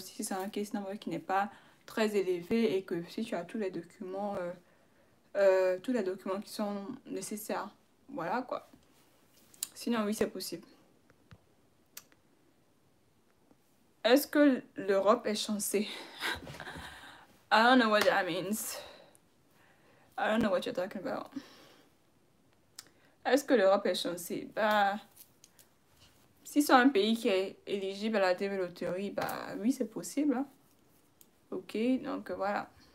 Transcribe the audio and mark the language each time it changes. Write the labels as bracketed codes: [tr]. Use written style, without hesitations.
[fr] Si c'est un case number qui n'est pas très élevé et que si tu as tous les documents... tous les documents qui sont nécessaires. Voilà quoi. Sinon, oui, c'est possible. Est-ce que l'Europe est chanceuse? [en] I don't know what that means. I don't know what you're talking about. [fr] Est-ce que l'Europe est chanceuse? Bah, si c'est un pays qui est éligible à la développerie, bah oui, c'est possible. Hein? Ok, donc voilà.